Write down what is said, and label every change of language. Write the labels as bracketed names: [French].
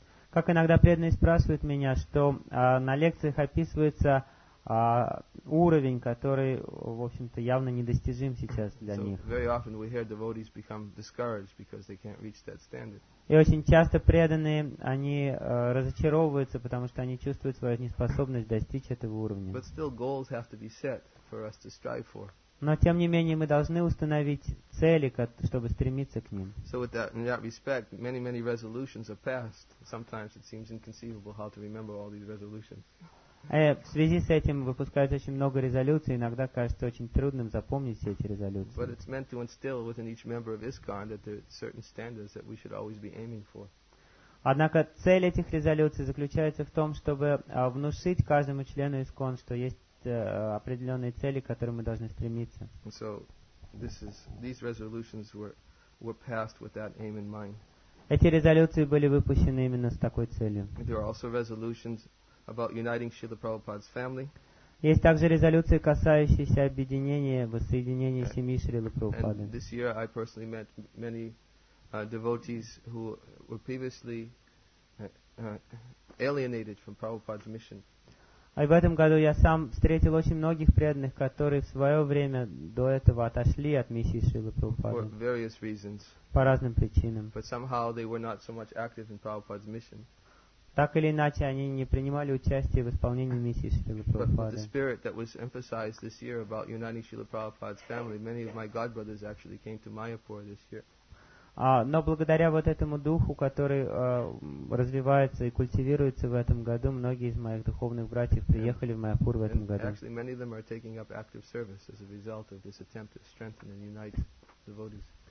[Russian] Как иногда преданные спрашивают меня, что на лекциях описывается уровень, который, в общем-то, явно недостижим сейчас для них. [English] So very often we hear devotees become discouraged because they can't reach that standard. [Russian] И очень часто преданные, они разочаровываются, потому что они чувствуют свою неспособность достичь этого уровня. [English] But still goals have to be set for us to strive for. [Russian] Но, тем не менее, мы должны установить цели, чтобы стремиться к ним. [English] So in that respect, many resolutions are passed. Sometimes it seems inconceivable how to remember all these resolutions. [Russian] В связи с этим выпускают очень много резолюций. Иногда кажется очень трудным запомнить все эти резолюции. [English] But it's meant to instill within each member of ISKCON that there are certain standards that we should always be aiming for. [Russian] Однако цель этих резолюций заключается в том, чтобы внушить каждому члену ISKCON, что есть определенные цели, к которым мы должны стремиться. [English] So, these resolutions were passed with that aim in mind. [Russian] Эти резолюции были выпущены именно с такой целью. [English] There are also resolutions about uniting Srila Prabhupada's family. [Russian] Есть также резолюции, касающиеся объединения, воссоединения семьи Шрилы Прабхупады. [English] And this year I personally met many devotees who were previously alienated from Prabhupada's mission. [Russian] А в этом году я сам встретил очень многих преданных, которые в свое время до этого отошли от миссии Шрилы Прабхупады. По разным причинам. [English] But somehow they were not so much active in Prabhupada's mission. [Russian] Так или иначе, они не принимали участие в исполнении миссии Шрилы Прабхупады. [English] But the spirit that was emphasized this year about uniting Srila Prabhupada's family, many of my godbrothers actually came to Mayapur this year. [Russian] Но благодаря вот этому духу, который развивается и культивируется в этом году, многие из моих духовных братьев приехали в Майяпур в этом году. [English] Actually, many of them are taking up active service as a result of this attempt to strengthen and unite devotees.